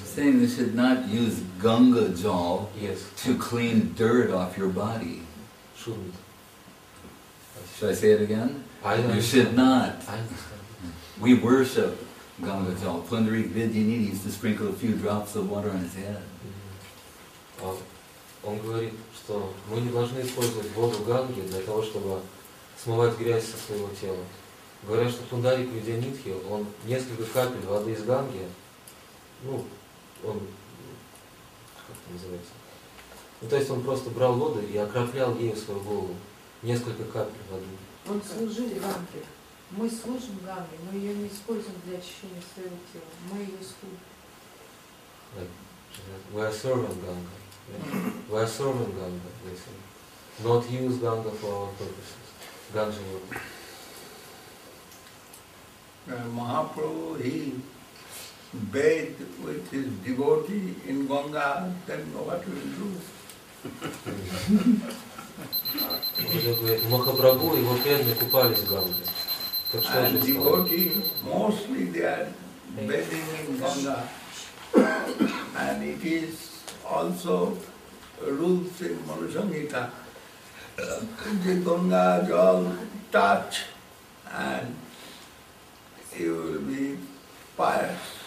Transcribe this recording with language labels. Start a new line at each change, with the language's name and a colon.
English: Saying you should not use Ganga Jal yes. to clean dirt off your body. Shouldn't. Should I say it again? You should not. We worship Ganga Jal. Pundarik Vidyanini is to sprinkle a few drops of water on his head.
Russian: Он говорит, что мы не должны использовать воду Ганги для того, чтобы смывать грязь со своего тела. Говорят, что Пундарик Видьянитхи, он несколько капель воды из Ганги, ну, он, как это называется, ну, то есть он просто брал воду и окроплял ею свою голову, несколько капель воды. Он служил Ганге. Мы служим Ганге, мы ее не используем для очищения своего тела, мы ее служим.
English: We are serving Ganga. Yeah. We are serving Ganga, basically. Not use Ganga for our purposes. Ganga water. Mahaprabhu, he bathed with his devotee in Ganga, then what will he do?
Russian: Он говорит, Махапрабху и его преданные купались в Ганге. Так что же
English: devotee, mostly they are bathing in Ganga. And it is also rules in Manushangita. The Ganga jal touch and you will be pious.